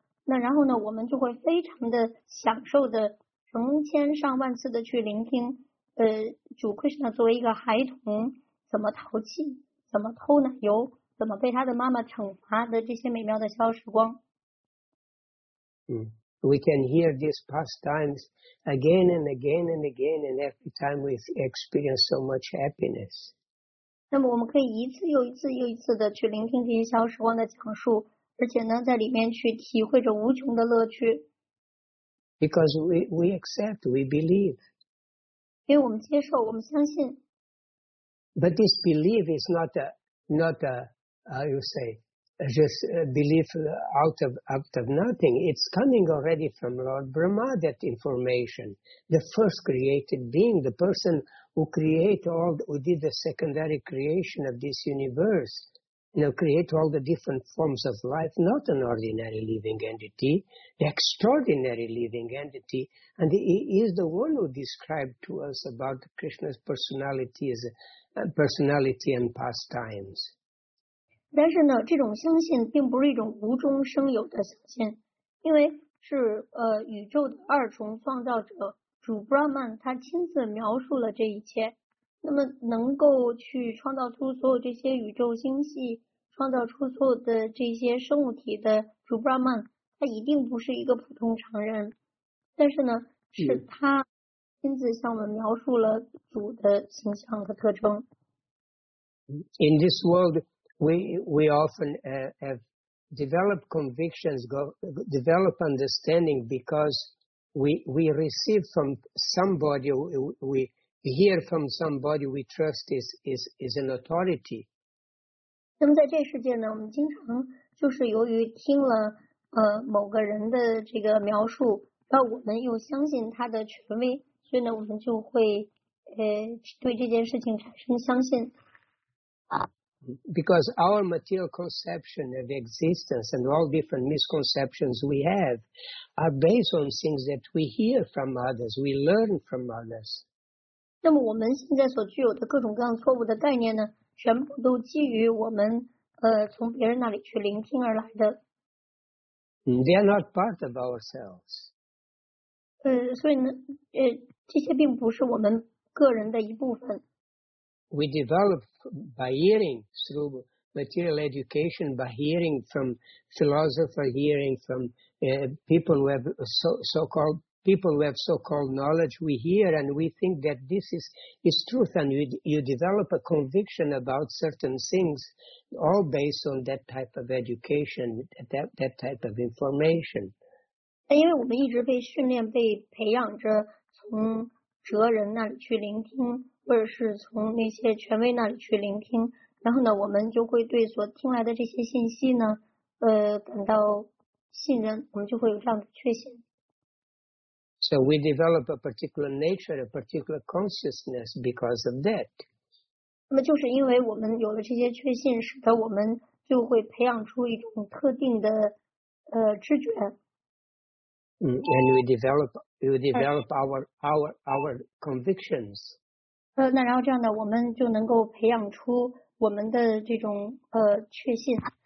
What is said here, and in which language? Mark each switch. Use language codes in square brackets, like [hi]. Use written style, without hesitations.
[zh] 那然后呢，我们就会非常的享受的成千上万次的去聆听，主克什纳作为一个孩童怎么淘气，怎么偷奶油，怎么被他的妈妈惩罚的这些美妙的逍遥时光。 [en] 嗯 ，We can hear these pastimes again and again and again, and every time we experience so much happiness. [zh] 那么我们可以一次又一次又一次的去聆听这些逍遥时光的讲述，而且呢，在里面去体会着无穷的乐趣。 [en] Because we accept, we believe. [zh] 因为我们接受，我们相信。 [en] But this belief is not a belief out of nothing. It's coming already from Lord Brahma, that information. The first created being, the person who did the secondary creation of this universe, you know, create all the different forms of life, not an ordinary living entity, the extraordinary living entity. And he is the one who described to us about Krishna's personality and pastimes. [zh] 但是呢，这种相信并不是一种无中生有的相信，因为是宇宙的二重创造者主 Brahman 他亲自描述了这一切。那么能够去创造出所有这些宇宙星系，创造出所有的这些生物体的主 Brahman， 他一定不是一个普通常人。但是呢，是他亲自向我们描述了主的形象和特征。 [en] In this world. We often have developed convictions, develop understanding because we receive from somebody, we hear from somebody we trust is an authority. [zh] 那么在这世界呢，我们经常就是由于听了某个人的这个描述，然后我们又相信他的权威，所以呢，我们就会对这件事情产生相信。 [en] Because our material conception of existence and all different misconceptions we have are based on things that we hear from others, we learn from others. [zh] 那么我们现在所具有的各种各样错误的概念呢，全部都基于我们从别人那里去聆听而来的。 [en] They are not part of ourselves. [zh] 所以呢，这些并不是我们个人的一部分。 [en] We develop by hearing through material education, by hearing from philosopher, hearing from people who have so-called people who have so-called knowledge. We hear and we think that this is truth, and you develop a conviction about certain things, all based on that type of education, that type of information. Because we have always been trained, been trained from people to listen. [zh] 或者是从那些权威那里去聆听，然后呢，我们就会对所听来的这些信息呢，感到信任，我们就会有这样的确信。 [en] So we develop a particular nature, a particular consciousness because of that. [zh] 那么就是因为我们有了这些确信，使得我们就会培养出一种特定的知觉。 [en] And we develop our convictions. [zh] 那然后这样的我们就能够培养出我们的这种确信。